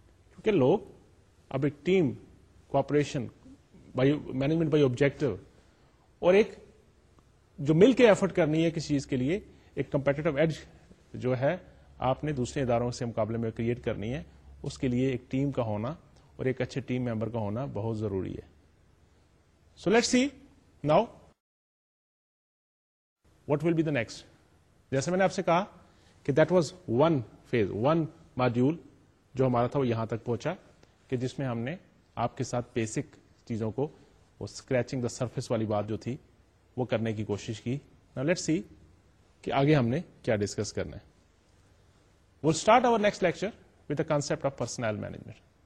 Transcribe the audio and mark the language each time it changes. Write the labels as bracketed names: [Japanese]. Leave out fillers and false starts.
[Urdu] کیونکہ لوگ اب ایک team cooperation by management by objective اور ایک جو مل کے ایفرٹ کرنی ہے کسی چیز کے لیے, ایک کمپیٹیٹو ایج جو ہے آپ نے دوسرے اداروں سے مقابلے میں کریٹ کرنی ہے, اس کے لیے ایک ٹیم کا ہونا اور ایک اچھے ٹیم ممبر کا ہونا بہت ضروری ہے. [English] So let's see now what will be the next. [Urdu] جیسے میں نے آپ سے کہا کہ [English] that was one phase one module [Urdu] جو ہمارا تھا وہ یہاں تک پہنچا کہ جس میں ہم نے آپ کے ساتھ بیسک چیزوں کو [English] scratching the surface [Urdu] والی بات جو تھی وہ کرنے کی کوشش کی. [English] now let's see [Urdu] کہ آگے ہم نے کیا ڈسکس کرنا ہے. [English] Will start our next lecture with the concept of personal management.